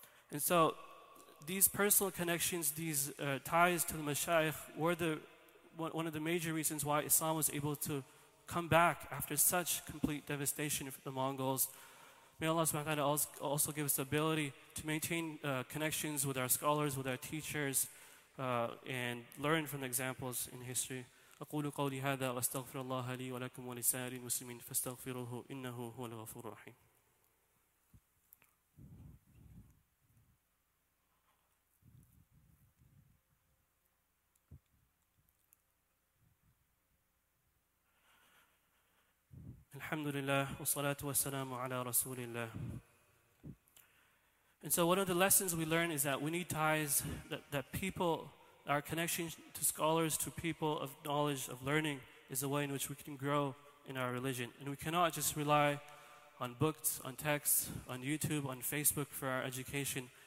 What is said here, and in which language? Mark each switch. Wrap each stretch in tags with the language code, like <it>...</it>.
<en>And so these personal connections, these ties to the mashayikh, were one of the major reasons why Islam was able to come back after such complete devastation for the Mongols. May Allah subhanahu wa ta'ala also give us the ability to maintain connections with our scholars, with our teachers, and learn from the examples in history.</en> <ar>أقول قولي هذا وأستغفر الله لي ولكم ولسائر المسلمين فاستغفروه إنه هو الغفور الرحيم. الحمد لله والصلاة والسلام على رسول الله.</ar> <en>And so one of the lessons we learn is that we need ties, that people, our connection to scholars, to people of knowledge, of learning, is a way in which we can grow in our religion. And we cannot just rely on books, on texts, on YouTube, on Facebook for our education.</en>